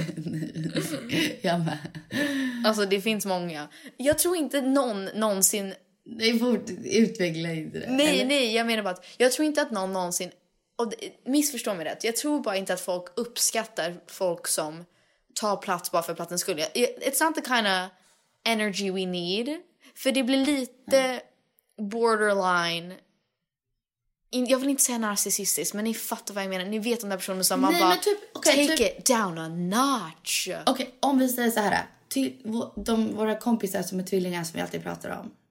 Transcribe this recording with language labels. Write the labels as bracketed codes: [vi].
[sv] Nej. Jag med. Alltså det finns många. Jag tror inte någon någonsin. Nej, utveckla inte det. Nej, jag menar bara att jag tror inte att någon någonsin. Och missförstå mig rätt. Jag tror bara inte att folk uppskattar folk som tar plats bara för plattens skull. [en] It's not the kind of energy we need. [sv] För det blir lite borderline. Jag vill inte säga narcissistiskt, men ni fattar vad jag menar. Ni vet om den personen som man bara, typ, [en] okay, take it down a notch. [sv] Okej, om vi säger så här. Till våra kompisar som är tvillingar som vi alltid pratar om.